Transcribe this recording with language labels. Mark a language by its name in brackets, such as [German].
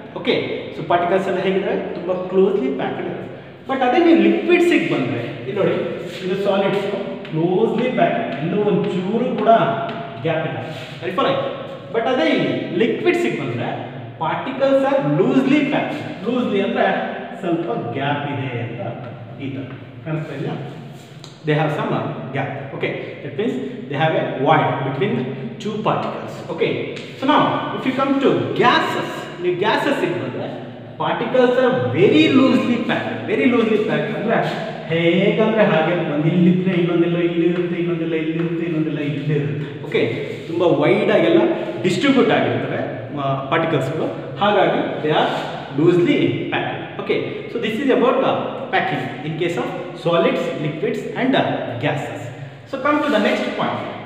[Kannada] Okay, so particles ಎಲ್ಲ ಹೇಗಿದ್ರೆ ತುಂಬ closely packed. But ಅದೇ ನೀವು ಲಿಕ್ವಿಡ್ಸಿಗೆ ಬಂದರೆ, ಇಲ್ಲಿ ನೋಡಿ ಇದು ಸಾಲಿಡ್ಸ್ ಕ್ಲೋಸ್ಲಿ ಪ್ಯಾಕ್ಡ್, ಇನ್ನೂ ಒಂಚೂರು ಕೂಡ ಗ್ಯಾಪ್ ಇಲ್ಲ. ಸರಿ, ಫಾಲೋ? ಬಟ್ ಅದೇ ಇಲ್ಲಿ ಲಿಕ್ವಿಡ್ಸಿಗೆ ಬಂದರೆ [English] Particles are loosely packed. [Kannada] Loosely ಅಂದರೆ ಸ್ವಲ್ಪ ಗ್ಯಾಪ್ ಇದೆ ಅಂತ. [English] ether. They have some gap. Okay, that means they have a void between two particles. Okay, so now if you come to gases, the gases in the particles are very loosely packed. Very loosely packed. [Kannada] ಹೇಗಂದ್ರೆ ಹಾಗೆ ಒಂದಿಲ್ಲಿದ್ರೆ ಇನ್ನೊಂದಿಲ್ಲ ಇಲ್ಲಿರುತ್ತೆ ಇನ್ನೊಂದಿಲ್ಲ ಇಲ್ಲಿರುತ್ತೆ ಇನ್ನೊಂದಿಲ್ಲ ಇಲ್ಲಿರುತ್ತೆ okay ತುಂಬ wide ಆಗೆಲ್ಲ distribute ಆಗಿರ್ತವೆ ಪಾರ್ಟಿಕಲ್ಸ್ಗಳು ಹಾಗಾಗಿ [English] they are loosely pack okay so this is about the packing in case of solids liquids and gases so come to the next point